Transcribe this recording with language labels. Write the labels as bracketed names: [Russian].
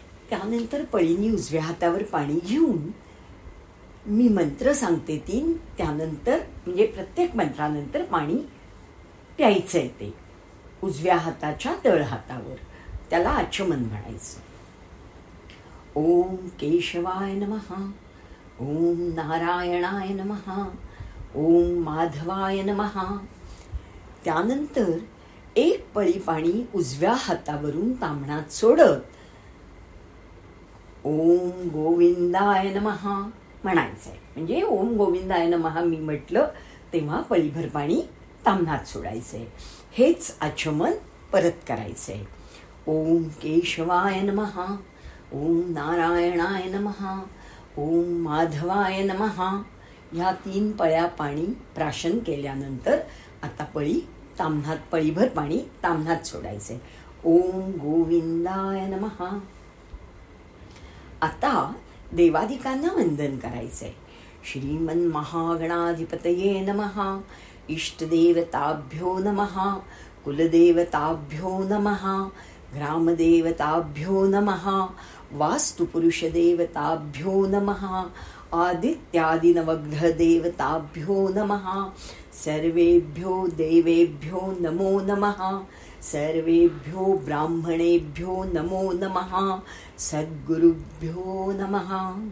[Marathi] त्यानंतर पळीनी उजव्या हातावर पाणी घेऊन मी मंत्र सांगते तीन. त्यानंतर म्हणजे प्रत्येक मंत्रानंतर पाणी प्यायचं आहे ते उजव्या हाताच्या तळहातावर, त्याला आचमन म्हणायचं. [Sanskrit] ओम केशवाय नमः, ओम नारायणाय नमः, ओम माधवाय नमः. [Marathi] त्यानंतर एक पळी पाणी उजव्या हातावरून तांबणात सोडत [Sanskrit] ओम गोविंदाय नमः [Marathi] म्हणायचं आहे. म्हणजे [Sanskrit] ओम गोविंदाय नमः [Marathi] मी म्हटलं तेव्हा पळीभर पाणी तांबणात सोडायचं आहे, हेच आचमन परत करायचं आहे. [Sanskrit] ओम केशवाय नमः, ओम नारायणाय नमः, ओम माधवाय नमः. [Marathi] ह्या तीन पळ्या पाणी प्राशन केल्यानंतर आता पळी तांबणात पळीभर पाणी तांबणात सोडायचं आहे. [Sanskrit] ओम गोविंदाय नमः. [Marathi] आता देवाधिकांना वंदन करायचं आहे. [Sanskrit] श्रीमन महागणाधिपतये नमः, इष्टदेवताभ्यो नमः, कुलदेवताभ्यो नमः, ग्रामदेवताभ्यो नमः, वास्तुपुरुषदेवताभ्यो नमः, आदित्यादिनवग्रहदेवताभ्यो नमः, सर्वेभ्यो देवेभ्यो नमो नमः, सर्वेभ्यो ब्राह्मणेभ्यो नमो नमः, सद्गुरुभ्यो नमः.